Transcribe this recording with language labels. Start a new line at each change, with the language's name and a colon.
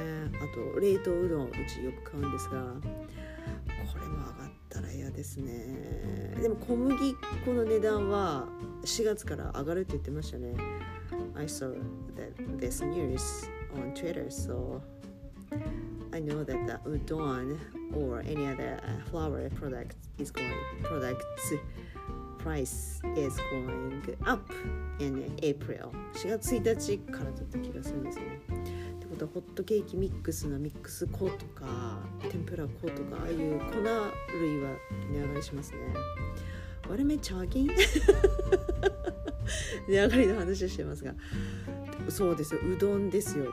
Japanese: あと冷凍うどん、うちよく買うんですが、これも上がったら嫌ですね。でも小麦粉の値段は4月から上がるって言ってましたね。
English: I saw that this news on Twitter, so I know that the udon or any other flour product is going product price is going up in April.
Japanese: 4月1日からだった気がするんですね。ホットケーキミックスのミックス粉とか天ぷら粉とか、ああいう粉類は値上がりしますね。我めちゃきん値上がりの話をしてますが、そうですよ、うどんですよ。